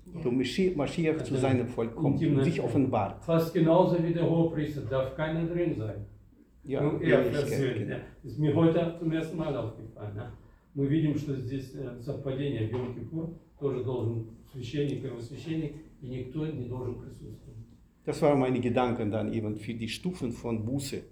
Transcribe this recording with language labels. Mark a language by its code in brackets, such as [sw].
[de] Du Maschiach zu seinem Volk kommt und sich offenbart. Fast genauso wie der Hohepriester, darf keiner drin sein. Ja, das ist mir heute zum ersten Mal aufgefallen. Wir sehen, dass dies [ru] совпадение в Йом-Кипур, тоже должен священник, первосвященник, и никто не должен присутствовать. [de] Das waren meine Gedanken dann eben für die Stufen von Buße.